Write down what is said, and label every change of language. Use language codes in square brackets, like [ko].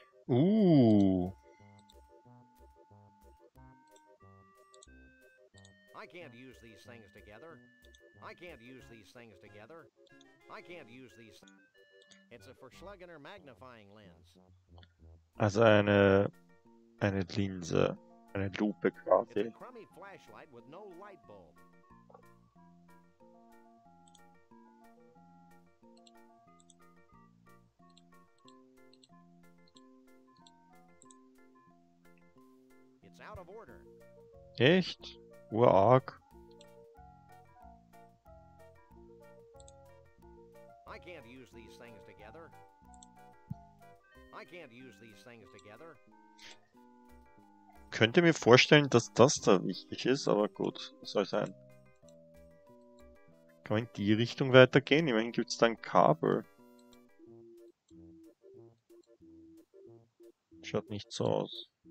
[en] Ooh. I can't use these things together. I can't use these things together. I can't use these. It's a Verschlagener magnifying lens. [de] Also eine Linse, eine Lupe quasi. [en] It's a crummy flashlight with no light bulb. It's out of order. [de] Echt? Urarg. [en] I can't use these things together. I can't use these things together. [de] Könnte mir vorstellen, dass das da wichtig ist, aber gut, soll sein. Kann man in die Richtung weitergehen? Immerhin gibt's da ein Kabel. Schaut nicht so aus.